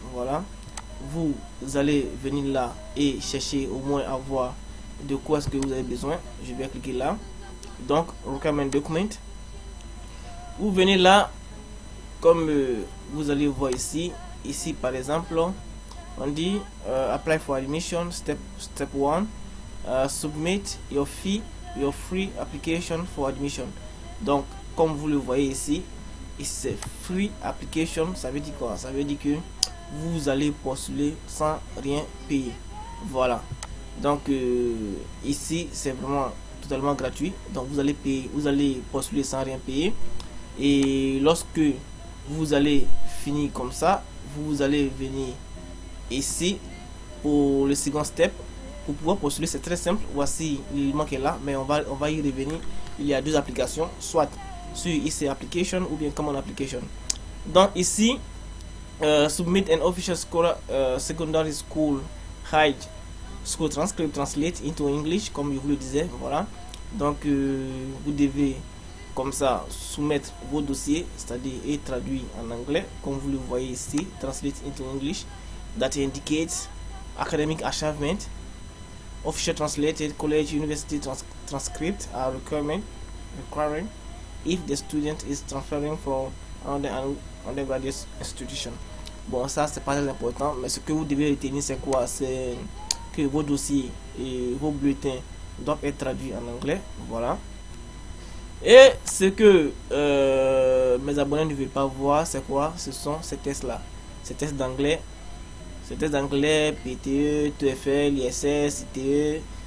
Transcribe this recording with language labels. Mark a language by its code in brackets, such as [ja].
[fr] Voilà, vous allez venir là et chercher au moins à voir de quoi est-ce que vous avez besoin. Je vais cliquer là, donc [en] requirement document. [fr] Vous venez là, comme vous allez voir ici, par exemple on dit [en] apply for admission step 1. Submit your free application for admission. [fr] Donc comme vous le voyez ici, c'est [en] free application. [fr] Ça veut dire quoi? Ça veut dire que vous allez postuler sans rien payer. Voilà, donc ici c'est vraiment totalement gratuit. Donc vous allez payer, vous allez postuler sans rien payer, et lorsque vous allez finir comme ça, vous allez venir ici pour le second step. Pour pouvoir postuler, c'est très simple. Voici, il manquait là, mais on va y revenir. Il y a deux applications, soit sur IC Application ou bien Common Application. Donc ici, [en] submit an official school, secondary school high school transcript translate into English, [fr] comme je vous le disais. Voilà, donc vous devez comme ça soumettre vos dossiers, c'est-à-dire et traduit en anglais, comme vous le voyez ici, [en] translate into English. That indicates academic achievement. Official translated college university transcript are requiring if the student is transferring from undergraduate institution. [fr] Bon, ça c'est pas très important, mais ce que vous devez retenir, c'est quoi? C'est que vos dossiers et vos bulletins doivent être traduits en anglais. Voilà, et ce que mes abonnés ne veulent pas voir, c'est quoi? Ce sont ces tests là, ces tests d'anglais. C'était d'anglais, PTE, TFL, ISS, ITE.